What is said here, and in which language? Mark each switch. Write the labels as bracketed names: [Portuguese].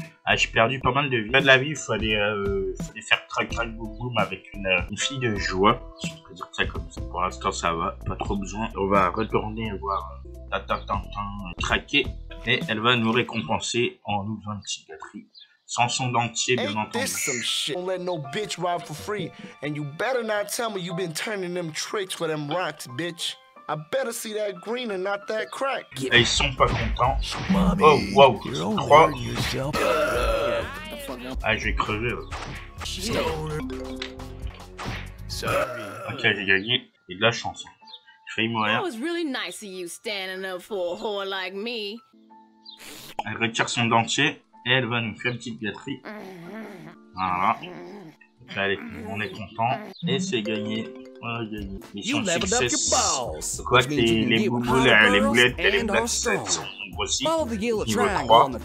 [French] Ah, j'ai perdu pas mal de vie. De la vie, il fallait faire crack boum boum avec une fille de joie. Je peux dire ça comme ça. Pour l'instant, ça va. Pas trop besoin. On va retourner voir traquer. Et elle va nous récompenser en nous donnant une cicatrice. Sans son dentier, bien entendu. [English] This some shit. Don't let no bitch ride for free. And you better not tell me you've been turning them tricks for them rocks, bitch. I better see that green and not that crack. [French] Et ils sont pas contents. Oh wow, trois. Ah, je vais crever. Ok, j'ai gagné. Et de la chance. Je vais y mourir. [English] That was really nice of you standing up for a whore like me. [French] Elle retire son dentier et elle va nous faire une petite gâterie. Voilà. Donc, allez, on est content. Et c'est gagné. Ouais, les boulettes et les blasts sont grossies, niveau 3.